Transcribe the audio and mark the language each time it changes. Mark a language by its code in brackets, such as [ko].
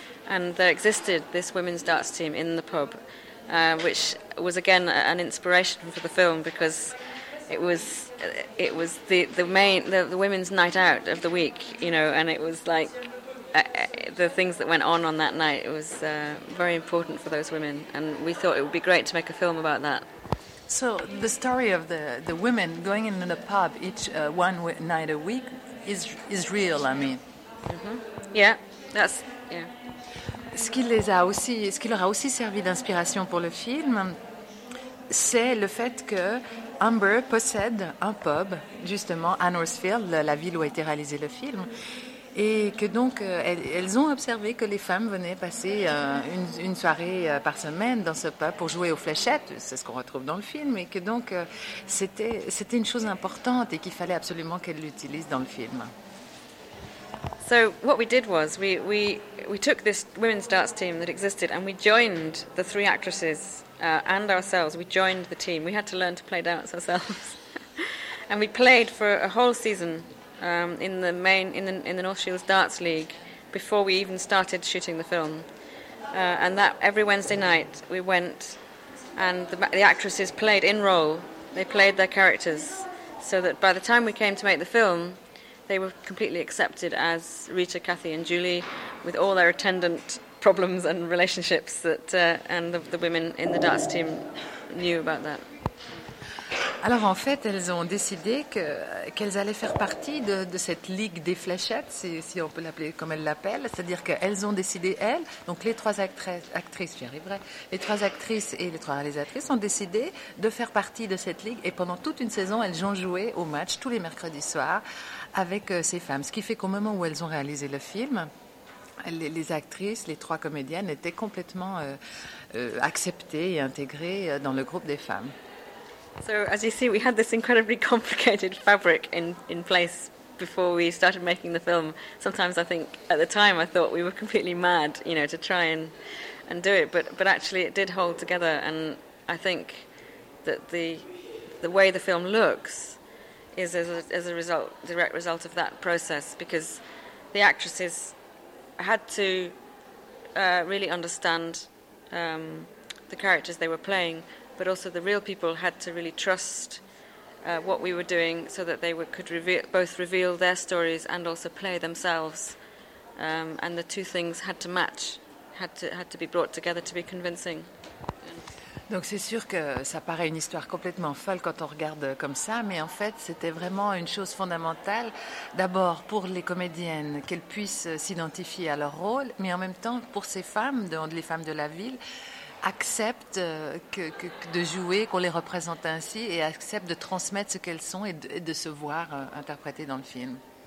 [en] And there existed this women's darts team in the pub, which was again an inspiration for the film, because it was the women's night out of the week, you know, and it was like the things that went on that night. It was very important for those women, and we thought it would be great to make a film about that. So the story of the women going in the pub each one night a week is real. I mean, mm-hmm. Yeah, that's yeah. [fr] Ce qui leur a aussi servi d'inspiration pour le film, c'est le fait que Amber possède un pub, justement, à Northfield, la ville où a été réalisé le film, et que donc elles ont observé que les femmes venaient passer une soirée par semaine dans ce pub pour jouer aux fléchettes, c'est ce qu'on retrouve dans le film, et que donc c'était une chose importante et qu'il fallait absolument qu'elles l'utilisent dans le film. [en] So what we did was we took this women's darts team that existed, and we joined the three actresses and ourselves. We joined the team. We had to learn to play darts ourselves, and we played for a whole season in the North Shields Darts League before we even started shooting the film. And that every Wednesday night we went, and the actresses played in role. They played their characters, so that by the time we came to make the film, they were completely accepted as Rita, Kathy, and Julie, with all their attendant problems and relationships that and the women in the darts team knew about that. [fr] Alors en fait, elles ont décidé qu'elles allaient faire partie de cette ligue des fléchettes, si on peut l'appeler comme elles l'appellent. C'est-à-dire qu'elles ont décidé, elles, donc les trois actrices, j'y arriverai, les trois actrices et les trois réalisatrices ont décidé de faire partie de cette ligue. Et pendant toute une saison, elles ont joué au match tous les mercredis soirs avec ces femmes. Ce qui fait qu'au moment où elles ont réalisé le film, les actrices, les trois comédiennes étaient complètement acceptées et intégrées dans le groupe des femmes. [en] So as you see, we had this incredibly complicated fabric in place before we started making the film. Sometimes I think at the time I thought we were completely mad, you know, to try and do it. But actually it did hold together, and I think that the way the film looks is a direct result of that process, because the actresses had to really understand the characters they were playing. But also the real people had to really trust what we were doing, so that they could reveal their stories and also play themselves. And the two things had to match, had to be brought together to be convincing. [fr] Donc c'est sûr que ça paraît une histoire complètement folle quand on regarde comme ça, mais en fait c'était vraiment une chose fondamentale, d'abord pour les comédiennes, qu'elles puissent s'identifier à leur rôle, mais en même temps pour ces femmes, les femmes de la ville, acceptent que de jouer, qu'on les représente ainsi, et acceptent de transmettre ce qu'elles sont et de se voir interprétées dans le film.